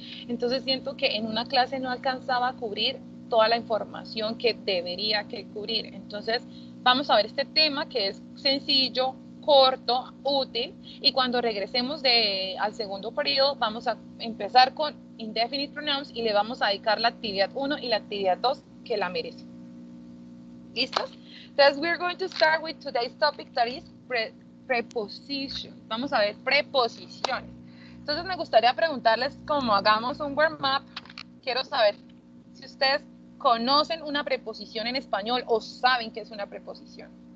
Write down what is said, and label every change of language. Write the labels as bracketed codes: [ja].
[es] Entonces siento que en una clase no alcanzaba a cubrir toda la información que debería que cubrir. Entonces vamos a ver este tema, que es sencillo, corto, útil, y cuando regresemos al segundo periodo vamos a empezar con indefinite pronouns y le vamos a dedicar la actividad 1 y la actividad 2 que la merece. ¿Listos? Entonces [en] we're going to start with today's topic, that is preposition. [es] Vamos a ver preposiciones. Entonces me gustaría preguntarles, como hagamos un warm up, quiero saber si ustedes conocen una preposición en español o saben qué es una preposición.